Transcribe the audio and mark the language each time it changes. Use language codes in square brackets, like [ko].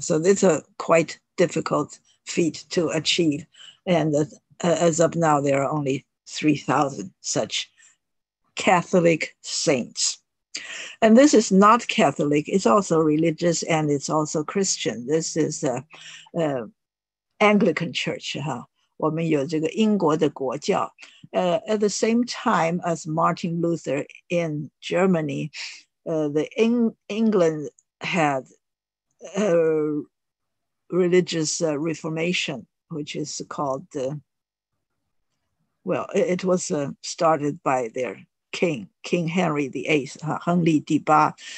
[en] So it's a quite difficult feat to achieve. And as of now, there are only 3,000 such Catholic saints. And this is not Catholic, it's also religious and it's also Christian. This is Anglican Church, huh? [zh] 我们有这个英国的国教. [en] At the same time as Martin Luther in Germany, England had a religious reformation, which is called, it was started by their King Henry VIII, Heng Li Di Ba.